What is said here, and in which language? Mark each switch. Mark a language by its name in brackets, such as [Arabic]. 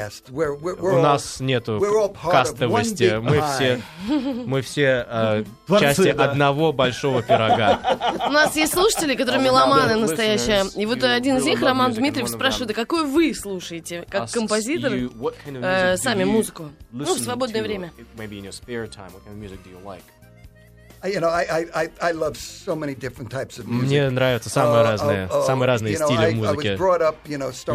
[Russian] У нас нету кастовости. Мы все части одного большого пирога. У нас есть слушатели, которые меломаны настоящие. И вот один из них, Роман Дмитриев, спрашивает, а какой вы слушаете, как композитор, сами музыку? Ну, в свободное время. [English] You know, I love so many different types of music. [Russian] Мне нравятся самые разные стили музыки.